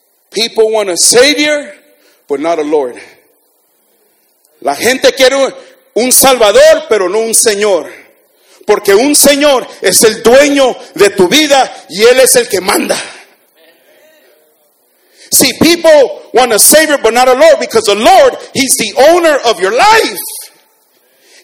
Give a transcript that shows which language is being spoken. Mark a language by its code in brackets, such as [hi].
[en] People want a savior, but not a lord. [es] La gente quiere un salvador, pero no un señor. Porque un señor es el dueño de tu vida y él es el que manda. [en] See, people want a savior, but not a lord, because the lord, he's the owner of your life.